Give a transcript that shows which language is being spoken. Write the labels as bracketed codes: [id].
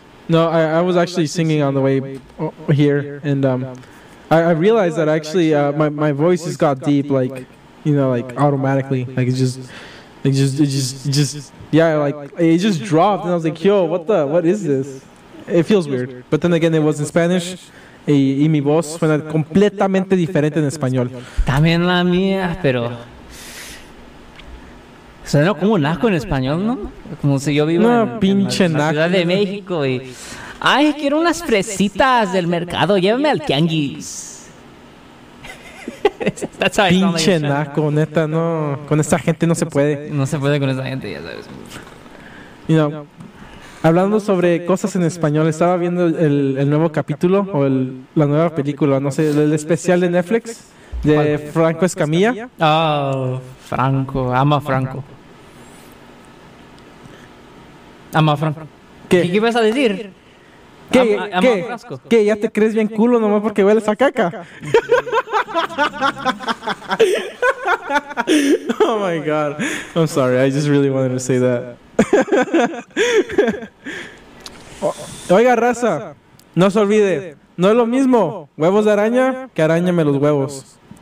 [en] No, I was actually singing on the way here, and I realized that actually my voice has got deep, like, you know, like automatically, like it just dropped, and I was like, yo, what is this? It feels weird. But then again, it was in Spanish. [es] Y mi voz suena completamente diferente en español. También la mía, pero... Suena como naco en español, ¿no? Como si yo vivo una pinche en la Ciudad de México y... ¡Ay, quiero unas fresitas del mercado! ¡Llévame al tianguis! [en] That's how [es] pinche naco, neta, no... Con esta gente no se puede. No se puede con esta gente, ya sabes. [en] You know... [es] Hablando sobre cosas en español, estaba viendo el nuevo capítulo o la nueva película, no sé, el especial de Netflix de Franco Escamilla. Oh, Franco, ama Franco. Ama Franco. ¿Qué ibas a decir? ¿Qué? ¿Ya te crees bien culo nomás porque hueles a caca? [en] Oh my God. I'm sorry, I just really wanted to say that. [es] Oiga, raza, no se olvide, no es lo mismo huevos de araña que arañame los huevos.